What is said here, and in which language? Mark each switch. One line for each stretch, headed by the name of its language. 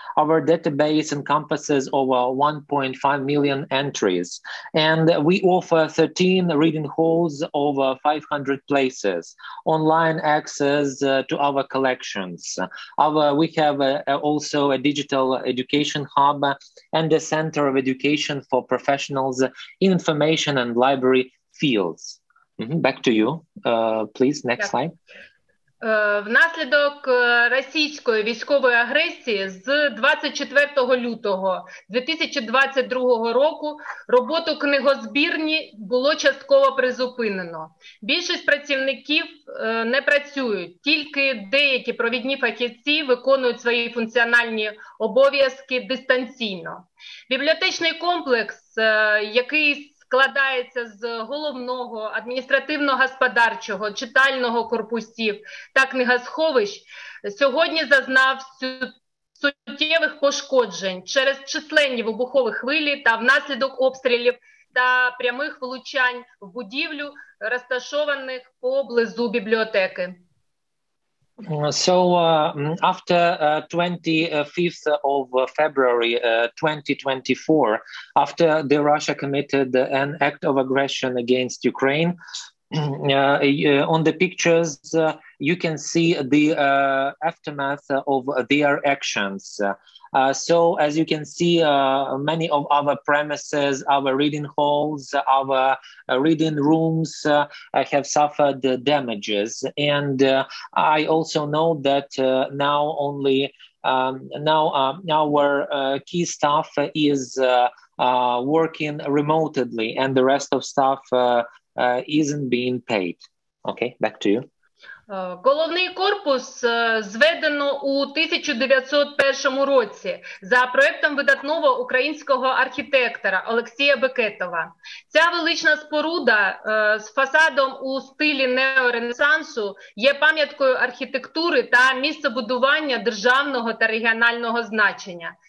English: Our database encompasses over 1.5 million entries, and we offer 13 reading halls over 500 places, online access to our collections. We have also a digital education hub and a center of education for professionals in information and library fields. Mm-hmm. Back to you, please. Next slide.
Ukrainian: Внаслідок російської військової агресії з 24 лютого 2022 року роботу книгозбірні було частково призупинено. Більшість працівників не працюють, тільки деякі провідні фахівці виконують свої функціональні обов'язки дистанційно. Бібліотечний комплекс, який складається з головного адміністративно-господарчого читального корпусів та книгосховищ, сьогодні зазнав суттєвих пошкоджень через численні вибухові хвилі та внаслідок обстрілів та прямих влучань в будівлю, розташованих поблизу бібліотеки.
English: So after 25th of February 2024, after the Russia committed an act of aggression against Ukraine, on the pictures you can see the aftermath of their actions. So as you can see, many of our premises, our reading halls, our reading rooms have suffered damages. And I also know that now only our key staff is working remotely, and the rest of staff isn't being paid. Okay, back to you.
Ukrainian: Головний корпус зведено у 1901 році за проєктом видатного українського архітектора Олексія Бекетова. Ця велична споруда з фасадом у стилі неоренесансу є пам'яткою архітектури та місцебудування державного та регіонального значення.